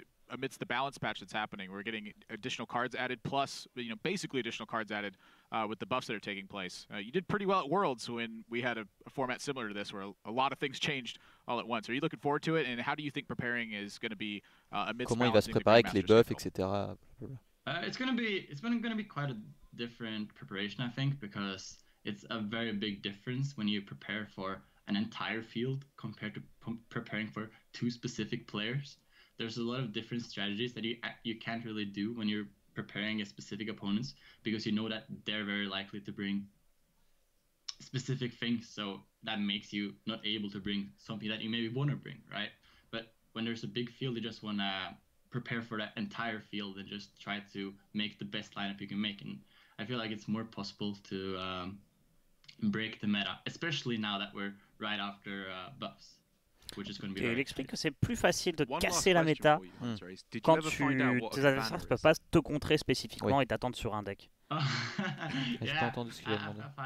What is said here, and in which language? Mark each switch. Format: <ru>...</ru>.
<en>amidst the balance patch that's happening. We're getting additional cards added, plus, you know, basically additional cards added with the buffs that are taking place. You did pretty well at Worlds when we had a format similar to this where a lot of things changed all at once. Are you looking forward to it, and how do you think preparing is going to be amidst balancing the Grandmaster cycle?</en> <fr>Comment il va se préparer avec les buffs, etc.</fr> <en>It's going to be quite a different preparation, I think, because it's a very big difference when you prepare for an entire field compared to preparing for two specific players. There's a lot of different strategies that you can't really do when you're preparing a specific opponents, because you know that they're very likely to bring specific things, so that makes you not able to bring something that you maybe want to bring, right? But when there's a big field, you just want to prepare for that entire field and just try to make the best lineup you can make. And I feel like it's more possible to break the meta, especially now that we're right after buffs.</en> <fr>Et il explique que c'est plus facile de casser la méta quand tes adversaires ne peuvent pas te contrer spécifiquement et t'attendre sur un deck. J'ai pas entendu ce qu'il a demandé.</fr>